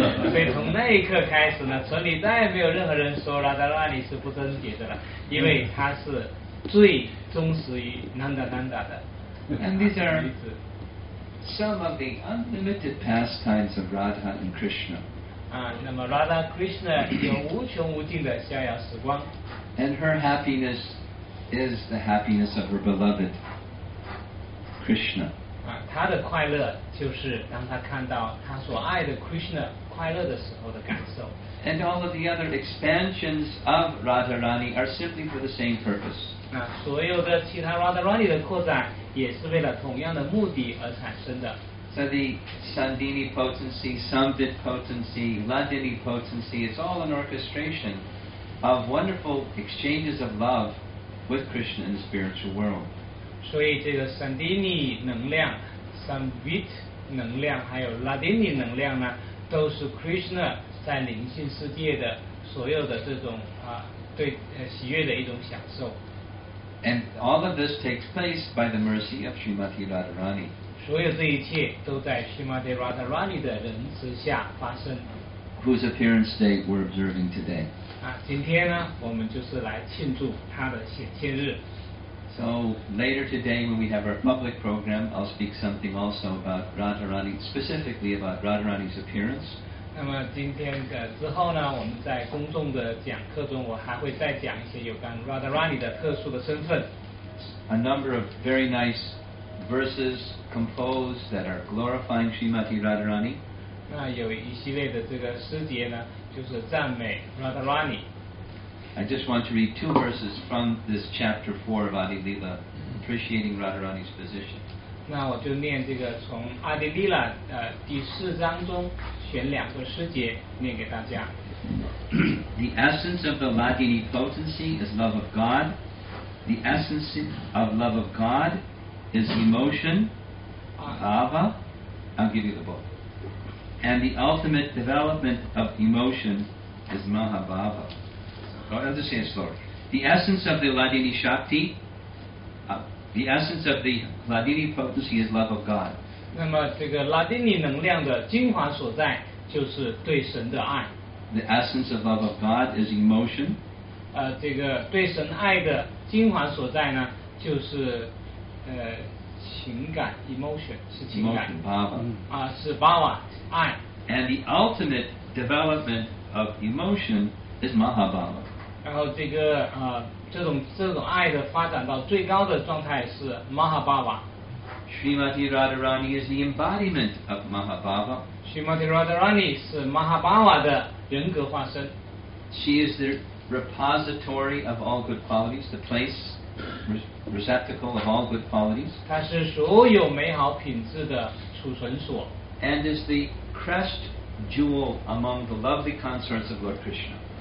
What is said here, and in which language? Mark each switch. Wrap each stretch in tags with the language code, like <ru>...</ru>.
<zh>所以从那一刻开始呢，村里再也没有任何人说Radharani是不贞洁的了，因为她是最忠实于Nandananda的。</zh> <en>And these are some of the unlimited pastimes of Radha and Krishna.</en> <zh>那么 Radha Krishna 有无穷无尽的逍遥时光。</zh> <en>And her happiness is the happiness of her beloved. Krishna.</en> <zh>他的快乐就是当他看到他所爱的 Krishna 快乐的时候的感受。</zh> <en>And all of the other expansions of Radharani are simply for the same purpose.</en> <zh>所有的其他 Radharani 的扩展也是为了同样的目的而产生的。</zh> <en>So the Sandini potency, Samdit potency, Ladini potency, it's all an orchestration of wonderful exchanges of love with Krishna in the spiritual world.</en> <zh>所以这个 Sandini 能量 Samvit 能量还有 Ladini 能量呢，都是 Krishna 在灵性世界的所有的这种对喜悦的一种享受。</zh> <en>And all of this takes place by the mercy of Srimati Radharani.</en> <zh>所有这一切都在 Srimati Radharani 的仁慈下发生。</zh> <en>Whose appearance day we're observing today.</en> <zh>今天呢，我们就是来庆祝他的显现日。</zh> <en>So later today when we have our public program, I'll speak something also about Radharani, specifically about Radharani's appearance.</en> <zh>那么今天的之后呢，我们在公众的讲课中，我还会再讲一些有关 Radharani 的特殊的身份。</zh> <en>A number of very nice verses composed that are glorifying Srimati Radharani.</en> <zh>那有一系列的这个诗节呢，就是赞美 Radharani。</zh> <en>I just want to read two verses from this chapter 4 of Adi Lila, appreciating Radharani's position.</en> <zh>那我就念这个从 Adi Lila 第四章中选两个诗节念给大家。</zh> <en>The essence of the Ladini potency is love of God. The essence of love of God is emotion, bhava. I'll give you the book. And the ultimate development of emotion is mahabhava. I'll just say it slower. The essence of the Ladini Shakti, the essence of the Ladini potency is love of God.</en> <zh>那么这个拉丁尼能量的精华所在就是对神的爱。</zh> <en>The essence of love of God is emotion.</en> <zh>这个对神爱的精华所在呢，就是情感 ，emotion 是情感。</zh> <en>Emotion, bhava.</en> <zh>是 bhava 爱。</zh> <en>And the ultimate development of emotion is mahabhava.</en> <zh>然后这个这种爱的发展到最高的状态是 mahabhava。</zh> <en>Srimati Radharani is the embodiment of Mahabhava.</en> <zh>Srimati Radharani is Mahabhava 的人格化身。</zh> <en>She is the repository of all good qualities, the place, receptacle of all good qualities.</en> <zh>她是所有美好品质的储存所。</zh> <en>And is the crest jewel among the lovely consorts of Lord Krishna.</en>